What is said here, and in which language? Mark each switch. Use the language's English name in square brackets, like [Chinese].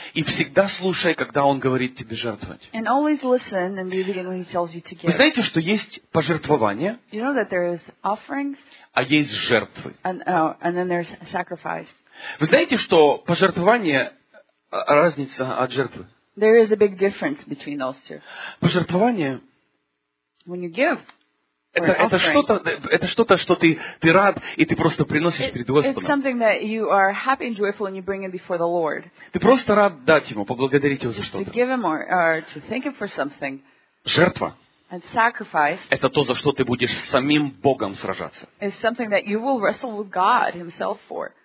[Russian] И всегда слушай, когда Он говорит тебе жертвовать. [English] And always listen and be obedient when He tells you to give. [Russian] Вы знаете, что есть пожертвования? [English] You know that there is offerings. [Russian] А есть жертвы. [English] And then there's sacrifice. [Russian] Вы знаете, что пожертвование разница от жертвы? [English] There is a big difference between those two. [Russian] Пожертвование. [English] When you give. [Russian] Это что-то, что ты рад, и ты просто приносишь перед Господом. Ты просто рад дать Ему, поблагодарить Его за что-то. Жертва. [English] And sacrifice. [Russian] Это то, за что ты будешь с самим Богом сражаться. [English] Is something that you will wrestle with God Himself for.